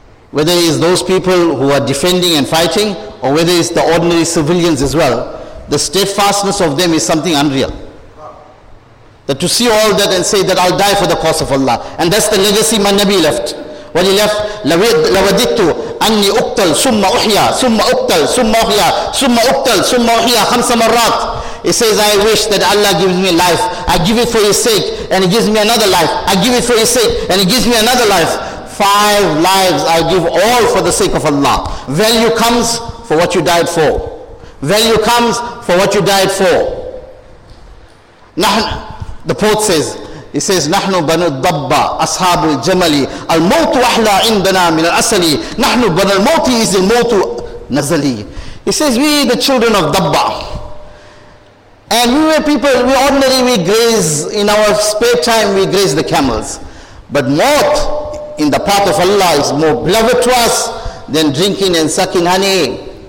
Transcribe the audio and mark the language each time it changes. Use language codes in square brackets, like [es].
[en] Whether it is those people who are defending and fighting, or whether it's the ordinary civilians as well, the steadfastness of them is something unreal. That to see all that and say that I'll die for the cause of Allah. And that's the legacy my Nabi left. When he left, [ar] لَوَدِدْتُ أَنِّي أُقْتَلْ ثُمَّ أُحْيَى ثُمَّ أُقْتَلْ ثُمَّ أُحْيَى ثُمَّ أُقْتَلْ ثُمَّ أُحْيَى خَمْسَ مَرَّاتِ. [en] He says, I wish that Allah gives me life. I give it for his sake, and he gives me another life. I give it for his sake, and he gives me another life. Five lives I give all for the sake of Allah. Value comes for what you died for. Value comes for what you died for. The poet says, he says, [ar] نَحْنُ بَنُ الدَّبَّ أَصْحَابُ الْجَمَلِ الْمَوْتُ أَحْلَى عِنْدَنَا مِنَ الْأَسَلِ نَحْنُ بَنُ الْمَوْتِ إِذِ الْمَوْتُ نَزَلِ. [en] He says, we the children of Dabba. And we were people, we ordinarily we graze, in our spare time we graze the camels. But moth in the path of Allah is more beloved to us than drinking and sucking honey.